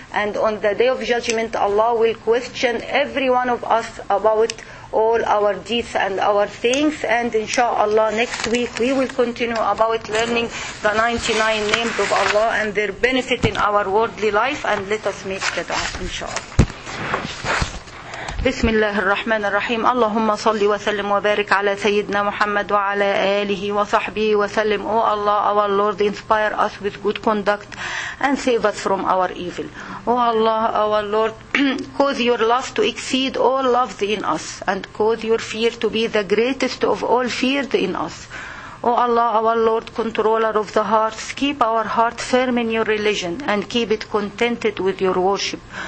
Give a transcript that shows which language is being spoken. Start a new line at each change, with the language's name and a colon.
English: And on the Day of Judgment, Allah will question every one of us about all our deeds and our things. And inshallah, next week we will continue about learning the 99 names of Allah and their benefit in our worldly life. And let us make the dua, inshallah.
Arabic: بسم الله الرحمن الرحيم اللهم صل وسلم وبارك على سيدنا محمد وعلى آله وصحبه وسلم.
English: Oh Allah, our Lord, inspire us with good conduct and save us from our evil. Oh Allah, our Lord, cause your love to exceed all loves in us, and cause your fear to be the greatest of all fears in us. O Allah, our Lord, controller of the hearts, keep our heart firm in your religion and keep it contented with your worship.